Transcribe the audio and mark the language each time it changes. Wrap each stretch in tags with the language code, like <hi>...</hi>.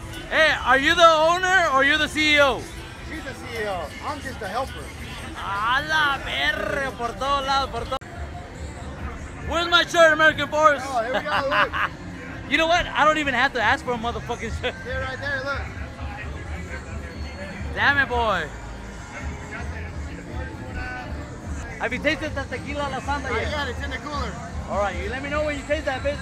<en>Hey, are you the owner or are you the CEO? She's the CEO. I'm just the helper.</en> <es>A la verga, por todos lados, por todos.</es> <en>Where's my shirt, American Force? Oh, here we go, look. You know what? I don't even have to ask for a motherfucking shirt. They're right there, look. Damn it, boy. Have you tasted that tequila la santa yet? I got it, it's in the cooler. Alright, you let me know when you taste that, bitch.</en>